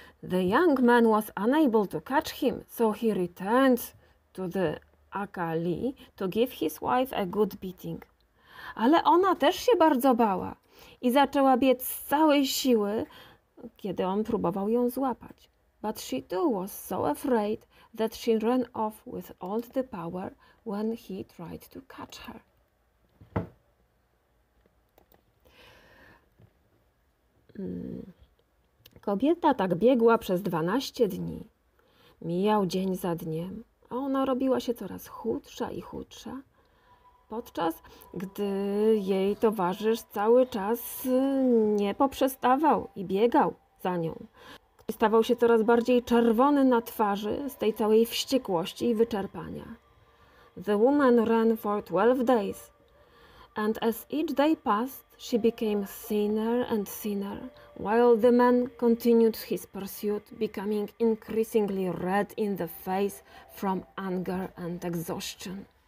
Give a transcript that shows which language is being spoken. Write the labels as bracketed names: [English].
[English] The young man was unable to catch him, so he returned to the akali to give his wife a good beating. [Polish] Ale ona też się bardzo bała. i zaczęła biec z całej siły, kiedy on próbował ją złapać. [English] But she too was so afraid that she ran off with all the power when he tried to catch her. [Polish] Kobieta tak biegła przez 12 dni. Mijał dzień za dniem, a ona robiła się coraz chudsza i chudsza, podczas gdy jej towarzysz cały czas nie poprzestawał i biegał za nią. Stawał się coraz bardziej czerwony na twarzy z tej całej wściekłości i wyczerpania. [English] The woman ran for 12 days, and as each day passed, she became thinner and thinner, while the man continued his pursuit, becoming increasingly red in the face from anger and exhaustion.